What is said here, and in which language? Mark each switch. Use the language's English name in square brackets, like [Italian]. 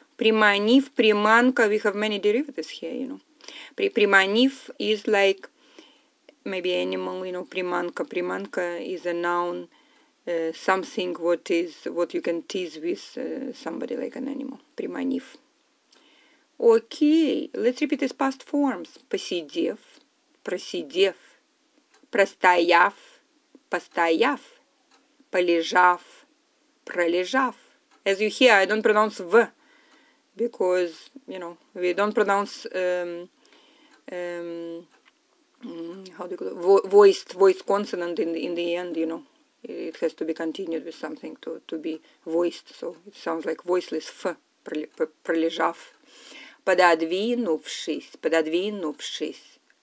[Russian] Приманив, приманка. [English] We have many derivatives here, you know. Приманив is like maybe animal, you know, приманка. Приманка is a noun. Something what you can tease with somebody like an animal. Приманив. Okay, let's repeat these past forms. [Russian] Посидев, просидев, простояв, постояв, полежав, пролежав. [English] As you hear, I don't pronounce V because, you know, we don't pronounce how do you call it? Voiced consonant in the end, you know. It has to be continued with something to be voiced. So it sounds like voiceless F, пролежав. [Russian] Пододвинувшись, пододвинувшись.